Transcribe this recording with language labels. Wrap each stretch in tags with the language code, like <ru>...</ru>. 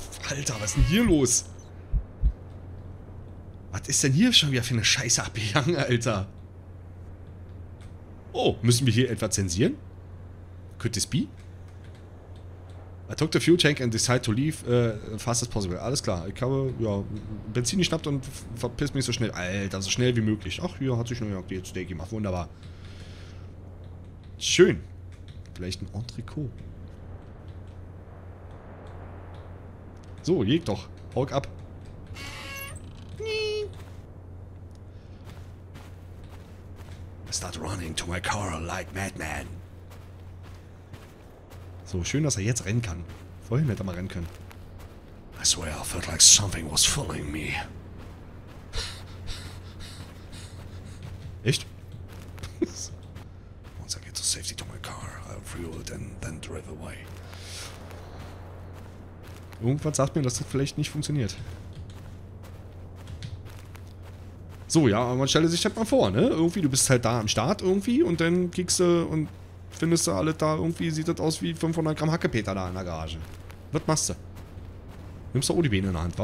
<de>Alter, was ist denn hier los? Was ist denn hier schon wieder für eine Scheiße abgegangen, Alter? Oh, müssen wir hier etwa zensieren?</de> <en>Could this be? I took the fuel tank and decided to leave fast as possible.</en> <de>Alles klar, ich habe, ja, Benzin geschnappt und verpiss mich so schnell. Alter, so schnell wie möglich. Ach, hier hat sich New York Steak gemacht. Wunderbar. Schön. Vielleicht ein Entricot. So, jeg doch. Hulk ab.</de> <en>I start running to my car like madman.</en> <de>So, schön, dass er jetzt rennen kann. Vorhin hätte er mal rennen können.</de> <en>I swear I felt like something was following me.</en> <de>Echt?</de> <en>Once I get to safety to my car, I'll fuel it and then drive away.</en> <de>Irgendwas sagt mir, dass das vielleicht nicht funktioniert. So, ja, aber man stelle sich halt mal vor, ne? Irgendwie, du bist halt da am Start irgendwie und dann kriegst du und findest du alle da irgendwie, sieht das aus wie 500 Gramm Hackepeter da in der Garage. Was machst du? Nimmst du auch die Beine in der Hand, wa?</de>